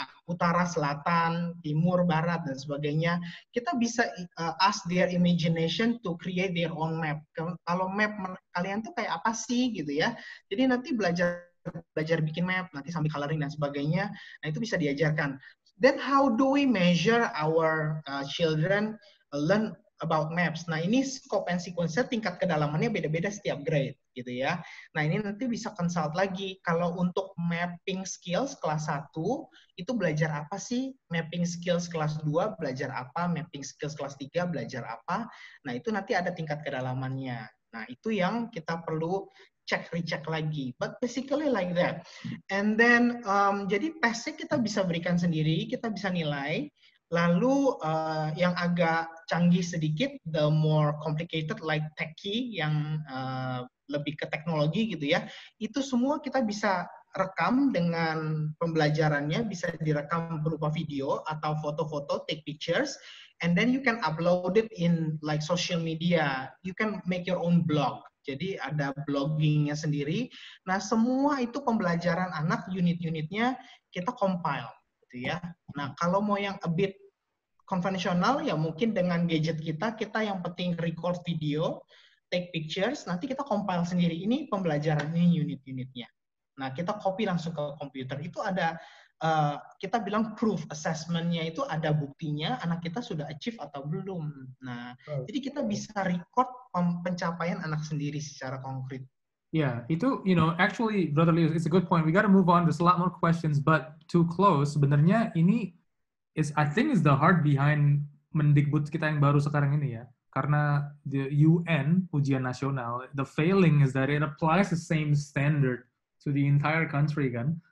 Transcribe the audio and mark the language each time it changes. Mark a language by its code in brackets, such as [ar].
[id] Utara, selatan, timur, barat, dan sebagainya. [en] Kita bisa ask their imagination to create their own map. [id] Kalau map kalian tuh kayak apa sih gitu ya. Jadi nanti belajar bikin map, nanti sambil coloring dan sebagainya. Nah itu bisa diajarkan. [en] Then how do we measure our children learn about maps? [id] Nah ini scope and sequence tingkat kedalamannya beda-beda setiap grade gitu ya. Nah ini nanti bisa consult lagi kalau untuk mapping skills kelas 1 itu belajar apa sih? Mapping skills kelas 2 belajar apa? Mapping skills kelas 3 belajar apa? Nah itu nanti ada tingkat kedalamannya. Nah itu yang kita perlu cek recheck lagi, [en] but basically like that. [id] And then jadi tesnya kita bisa berikan sendiri, kita bisa nilai. Lalu yang agak canggih sedikit, [en] the more complicated like techie [id] yang lebih ke teknologi gitu ya, itu semua kita bisa rekam dengan pembelajarannya, bisa direkam berupa video atau foto-foto, [en] take pictures. And then you can upload it in like social media. You can make your own blog. [id] Jadi ada bloggingnya sendiri. Nah semua itu pembelajaran anak, unit-unitnya kita compile, gitu ya. Nah kalau mau yang a bit konvensional, ya mungkin dengan gadget kita, kita yang penting record video, [en] take pictures, [id] nanti kita compile sendiri. Ini pembelajaran ini unit-unitnya. Nah kita copy langsung ke komputer. Itu ada kita bilang proof assessment-nya, itu ada buktinya anak kita sudah achieve atau belum. Nah, jadi kita bisa record pencapaian anak sendiri secara konkret. [en] Yeah, itu, you know, actually, Brother Leo, it's a good point. We got to move on. There's a lot more questions, but to close, sebenarnya ini is, I think, is the heart behind Mendikbud [id] kita yang baru sekarang ini ya. [en] Karena the UN, ujian nasional, the failing is that it applies the same standard to the entire country, kan?